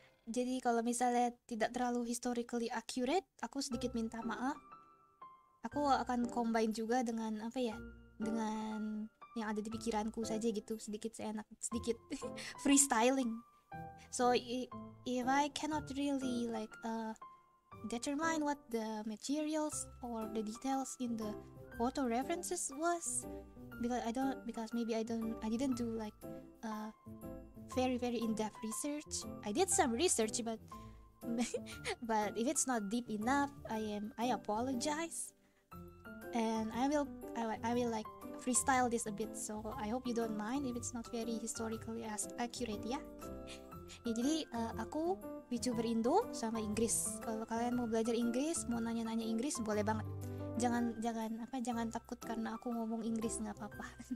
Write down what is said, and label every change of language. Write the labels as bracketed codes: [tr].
[id] Jadi kalau misalnya tidak terlalu [en] historically accurate, [id] aku sedikit minta maaf. Aku akan combine juga dengan apa ya, dengan yang ada di pikiranku saja gitu, sedikit seenak, sedikit freestyling. [en] So if I cannot really like determine what the materials or the details in the photo references was, because maybe I didn't do like very in-depth research. I did some research, but but if it's not deep enough, I apologize, and I will like freestyle this a bit, so I hope you don't mind if it's not very historically as accurate, ya. [id] Ya, jadi aku YouTuber Indo sama Inggris. Kalau kalian mau belajar Inggris, mau nanya-nanya Inggris, boleh banget. Jangan takut karena aku ngomong Inggris, nggak apa-apa.